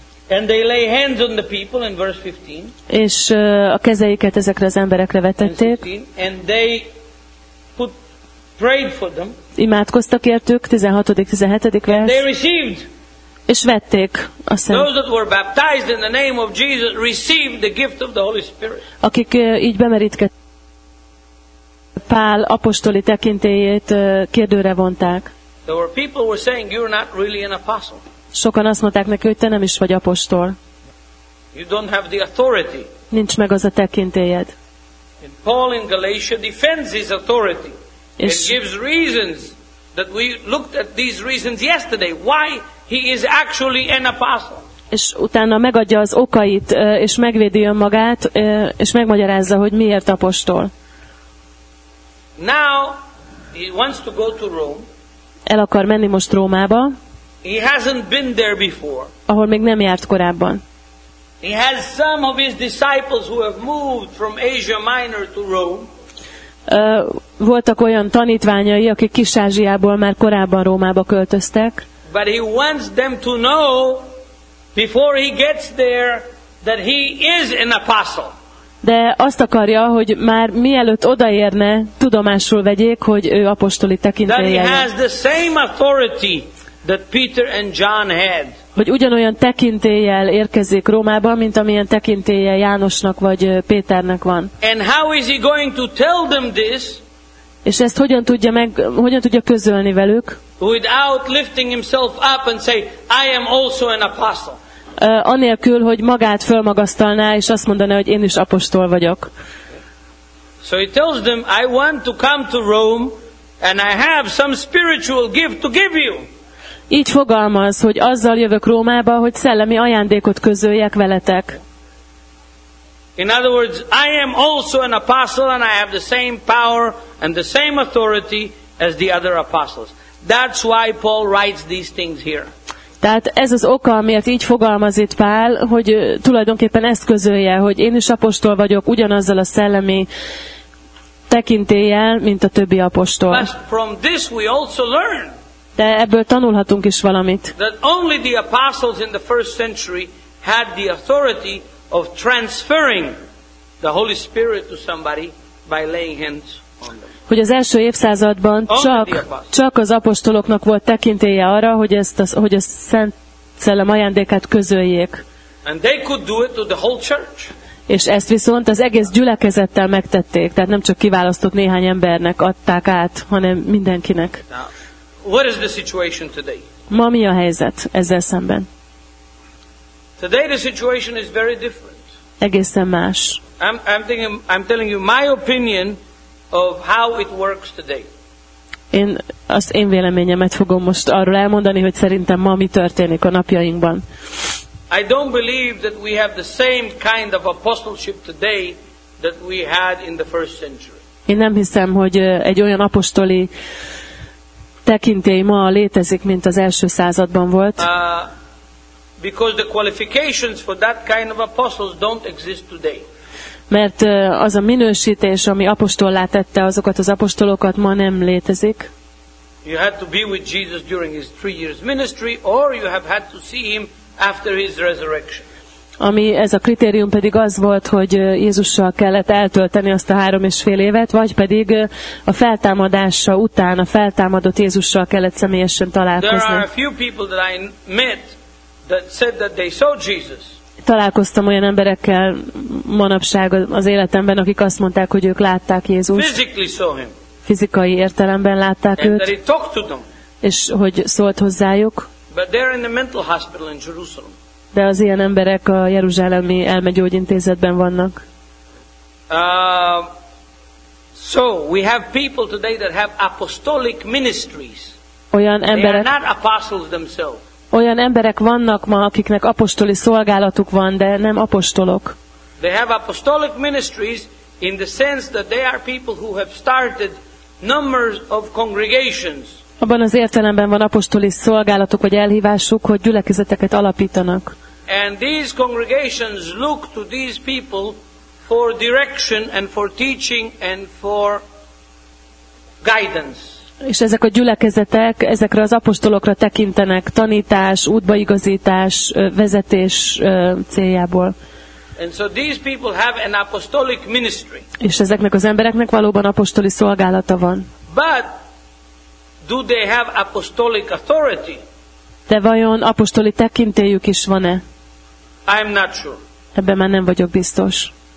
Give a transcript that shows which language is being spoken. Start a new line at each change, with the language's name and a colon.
English: And they lay hands on the people in verse 15.
Hungarian: És a kezeiket ezekre az emberekre vetették.
English: And they prayed for them.
Hungarian: Imádkoztak értük, 16-17. vers.
English: And they received.
Hungarian: És vették a szent.
English: Those that were baptized in the name of Jesus received the gift of the Holy Spirit.
Hungarian: Akik így bemerítkeztek, Pál apostoli tekintélyét kérdőre vonták.
English: There were people who were saying you're not really an apostle.
Hungarian: Sokan azt mondták neki, hogy te nem is vagy apostol.
English: You don't have the authority.
Hungarian: Nincs meg az a tekintélyed.
English: And Paul in Galatia defends his authority. And gives reasons that we looked at these reasons yesterday. Why? He is actually an apostle.
Hungarian: És utána megadja az okait, és megvédi önmagát, és megmagyarázza, hogy miért apostol.
English: Now he wants to go to Rome.
Hungarian: El akar menni most Rómába.
English: He hasn't been there before.
Hungarian: Ahol még nem járt korábban.
English: He has some of his disciples who have moved from Asia Minor to Rome.
Hungarian: Voltak olyan tanítványai, akik Kis-Ázsiából már korábban Rómába költöztek.
English: But he wants them to know before he gets there that he is an apostle.
Hungarian: De azt akarja, hogy már mielőtt odaérne, tudomásul vegyék, hogy ő apostoli tekintélye.
English: That he has the same authority that Peter and John had.
Hungarian: Hogy ugyanolyan tekintéllyel érkezik Rómába, mint amilyen tekintélye Jánosnak vagy Péternek van.
English: And how is he going to tell them this?
Hungarian: És ezt hogyan tudja közölni velük?
English: Without lifting himself up and say, I am also an apostle.
Hungarian: Anélkül, hogy magát fölmagasztalná, és azt mondaná, hogy én is apostol vagyok.
English: So he tells them, I want to come to Rome, and I have some spiritual gift to give you.
Hungarian: Így fogalmaz, hogy azzal jövök Rómába, hogy szellemi ajándékot közöljek veletek.
English: In other words, I am also an apostle, and I have the same power and the same authority as the other apostles. That's why Paul writes these things here.
Hungarian: Tehát ez az oka, amiért így fogalmaz itt Pál, hogy tulajdonképpen ezt közölje, hogy én is apostol vagyok ugyanazzal a szellemi tekintéllyel, mint a többi apostol.
English: But from this we also learn.
Hungarian: De ebből tanulhatunk is valamit.
English: That only the apostles in the first century had the authority of transferring the Holy Spirit to somebody by laying hands on them.
Hungarian: Hogy az első évszázadban csak az apostoloknak volt tekintélye arra, hogy hogy a Szent Szellem ajándékát közöljék.
English: And they could do it to the whole church.
Hungarian: És ezt viszont az egész gyülekezettel megtették, tehát nem csak kiválasztott néhány embernek adták át, hanem mindenkinek.
English: Now, what is the situation today?
Hungarian: Ma mi a helyzet ezzel szemben?
English: Today the situation is very different.
Hungarian: Egészen más.
English: I'm telling you my opinion of how it works today. In
Hungarian: az én véleményemet fogom most arról elmondani, hogy szerintem ma mi történik a napjainkban.
English: I don't believe that we have the same kind of apostleship today that we had in the first century.
Hungarian: Én nem hiszem, hogy egy olyan apostoli tekintély ma létezik, mint az első században volt.
English: Because the qualifications for that kind of apostles don't exist today.
Hungarian: Mert az a minősítés, ami apostollá tette azokat az apostolokat, ma nem létezik.
English: You had to be with Jesus during his 3 years ministry, or you have had to see him after his resurrection.
Hungarian: Ami ez a kritérium pedig az volt, hogy Jézussal kellett eltölteni azt a 3,5 évet, vagy pedig a feltámadása után, a feltámadott Jézussal kellett személyesen találkozni.
English: There are a few people that I met that said that they saw Jesus.
Hungarian: Találkoztam olyan emberekkel manapság az életemben, akik azt mondták, hogy ők látták Jézust.
English: Physically saw him.
Hungarian: Fizikai értelemben látták
English: and
Hungarian: őt.
English: That he talked to them.
Hungarian: És hogy szólt hozzájuk.
English: But they're in the mental hospital in Jerusalem.
Hungarian: De az ilyen emberek a jeruzsálemi elmegyógyintézetben vannak.
English: So we have people today that have apostolic ministries.
Hungarian: Olyan emberek.
English: They are not apostles themselves.
Hungarian: Olyan emberek vannak ma, akiknek apostoli szolgálatuk van, de nem apostolok.
English: They have apostolic ministries in the sense that they are people who have started numbers of congregations.
Hungarian: Abban az értelemben van apostoli szolgálatuk vagy elhívásuk, hogy gyülekezeteket alapítanak.
English: And these congregations look to these people for direction and for teaching and for guidance.
Hungarian: És ezek a gyülekezetek ezekre az apostolokra tekintenek tanítás, útbaigazítás, vezetés céljából.
English: And so these people have an apostolic ministry.
Hungarian: És ezeknek az embereknek valóban apostoli szolgálata van.
English: But do they have apostolic authority?
Hungarian: De vajon apostoli tekintélyük is van-e?
English: I'm not sure.
Hungarian: Ebben már nem vagyok biztos.